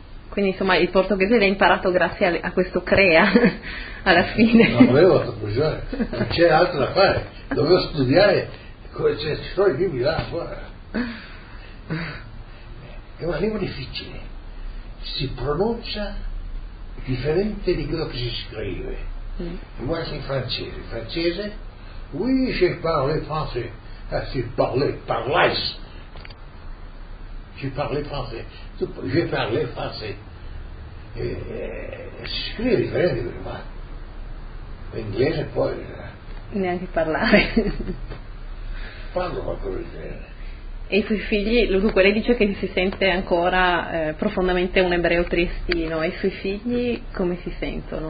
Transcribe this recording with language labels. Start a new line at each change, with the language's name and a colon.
Italian: Quindi insomma il portoghese l'ha imparato grazie a questo CREA alla fine. Non avevo altra occasione, non c'era altro da fare, dovevo studiare, cioè, ci sono i libri là, guarda. È una lingua difficile, si pronuncia differente di quello che si scrive. Guarda il francese,
French: oui, je parle français,
Italian: je parle français. Si scrive differente, ma l'inglese poi neanche parlare. Parlo qualcosa di genere. E i suoi figli, dunque lei dice che si sente ancora profondamente un ebreo triestino, e i suoi figli come si sentono?